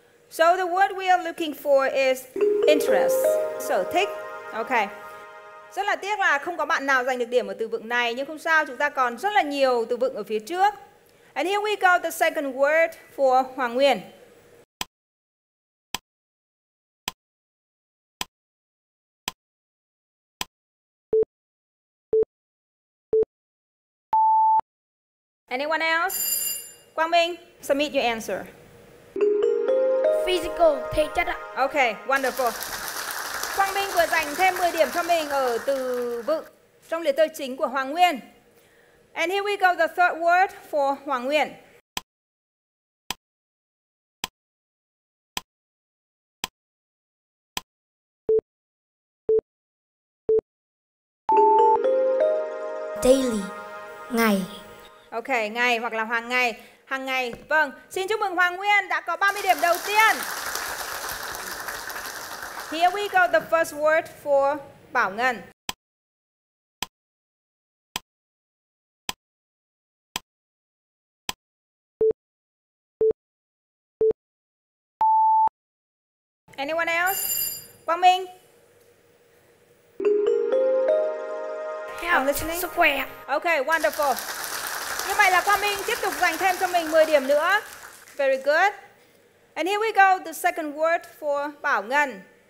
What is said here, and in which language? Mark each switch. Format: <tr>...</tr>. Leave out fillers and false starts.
<en>So the word we are looking for is interest.</en> <vi>So thích. Okay. Rất là tiếc là không có bạn nào giành được điểm ở từ vựng này, nhưng không sao, chúng ta còn rất là nhiều từ vựng ở phía trước.</vi> <en>And here we go, the second word for Hoàng Nguyên. Anyone else? Quang Minh, submit your answer.</en> <vi>Physical, thể chất ạ.</vi> <en>Okay, wonderful.</en> <vi>Quang Minh vừa dành thêm 10 điểm cho mình ở từ vựng trong liệt tờ chính của Hoàng Nguyên.</vi> <en>And here we go, the third word for Hoàng Nguyên.</en> <vi>Daily, ngày. Ok, ngày hoặc là hàng ngày. Hàng ngày, vâng. Xin chúc mừng Hoàng Nguyên đã có 30 điểm đầu tiên.</vi> <en>Here we go, the first word for Bảo Ngân. Anyone else? Quang Minh.</en> <vi>Sức khỏe.</vi> <en>Okay, wonderful.</en> <vi>Như vậy là Quang Minh tiếp tục dành thêm cho mình 10 điểm nữa.</vi> <en>Very good. And here we go, the second word for Bảo Ngân.</en>